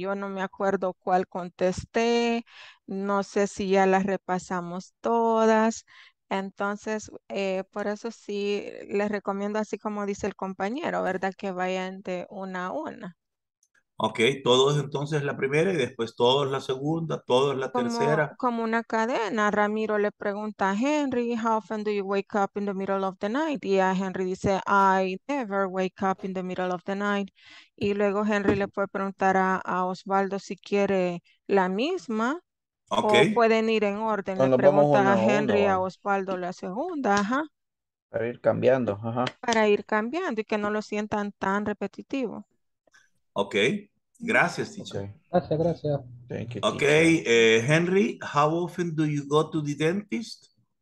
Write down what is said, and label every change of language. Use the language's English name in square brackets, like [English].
[Spanish] Yo no me acuerdo cuál contesté. No sé si ya las repasamos todas. Entonces, por eso sí les recomiendo, así como dice el compañero, ¿verdad? Que vayan de una a una. Ok, todos entonces la primera y después todos la segunda, todos la tercera. Como una cadena. Ramiro le pregunta a Henry, [English] how often do you wake up in the middle of the night? [Spanish] Y a Henry dice, [English] I never wake up in the middle of the night. [Spanish] Y luego Henry le puede preguntar a Osvaldo si quiere la misma. [English] Okay. [Spanish] O pueden ir en orden. Le preguntan a Henry, a Osvaldo la segunda, ajá. Para ir cambiando, ajá. Para ir cambiando y que no lo sientan tan repetitivo. Ok, gracias, teacher. Okay. Gracias, gracias. [English] Thank you, okay, Henry, how often do you go to the dentist?